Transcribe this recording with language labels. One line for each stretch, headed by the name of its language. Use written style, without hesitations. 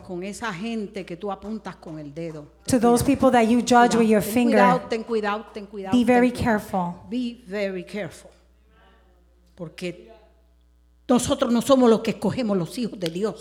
Spanish: Con esa gente que tú apuntas con el dedo.
English: To those people that you judge with your finger.
Spanish: Ten cuidado.
English: Be very careful. Be very careful.
Spanish: Porque nosotros no somos los que escogemos los hijos de Dios.